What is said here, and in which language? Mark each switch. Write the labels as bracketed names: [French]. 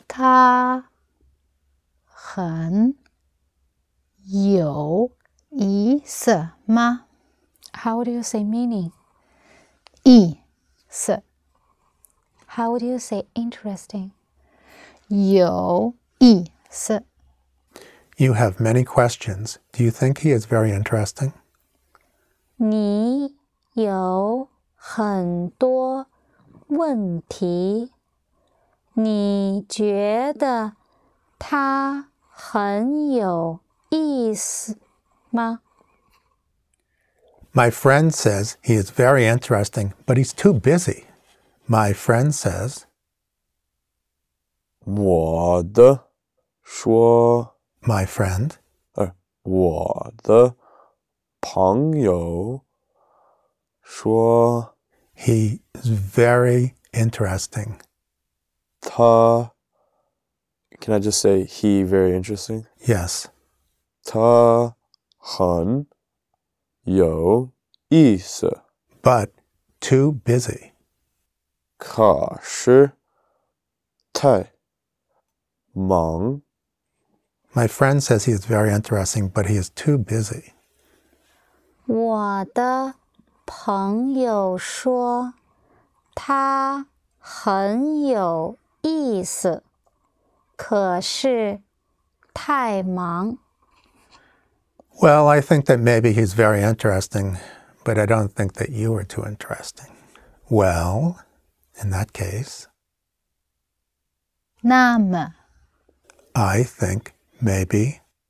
[Chinese] 他很有意思吗? [English] How do you say meaning? [Chinese] 意思 [English] How do you say interesting? [Chinese] 有意思 [English] You have many questions. Do you think he is very interesting? [Chinese] 你有很多问题你觉得他很有意思吗? [English] My friend says he is very interesting, but he's too busy. My friend says, [Chinese] 我的说 [English] My friend, [Chinese] 我的朋友说 [English] He is very interesting. 他 Can I just say he very interesting? Yes. [Chinese] 他很有意思 [English] But too busy. [Chinese] 可是太忙 [English] My friend says he is very interesting, but he is too busy. [Chinese] 我的朋友说他很有意思可是太忙 [English] Well, I think that maybe he's very interesting, but I don't think that you are too interesting. Well, in that case, [Chinese] 那么 [English] I think maybe